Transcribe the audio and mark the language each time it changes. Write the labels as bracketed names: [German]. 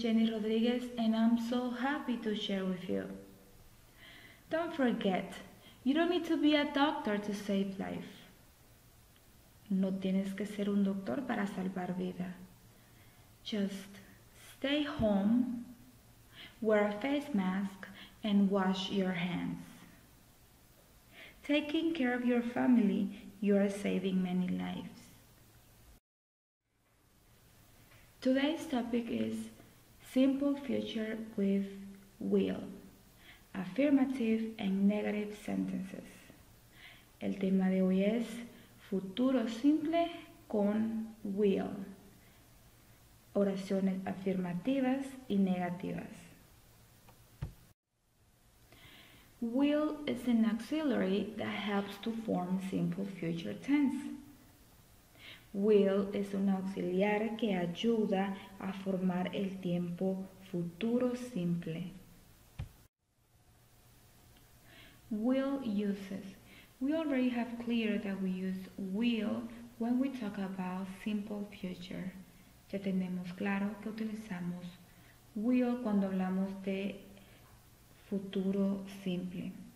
[English] Jenny Rodriguez, and I'm so happy to share with you. Don't forget, you don't need to be a doctor to save life. [Spanish] No tienes que ser un doctor para salvar vida. [English] Just stay home, wear a face mask, and wash your hands. Taking care of your family, you are saving many lives. Today's topic is simple future with will, affirmative and negative sentences. [Spanish] El tema de hoy es futuro simple con will, oraciones afirmativas y negativas. [English] Will is an auxiliary that helps to form simple future tense. [Spanish] Will es un auxiliar que ayuda a formar el tiempo futuro simple. [English] Will uses. We already have clear that we use will when we talk about simple future. [Spanish] Ya tenemos claro que utilizamos will cuando hablamos de futuro simple.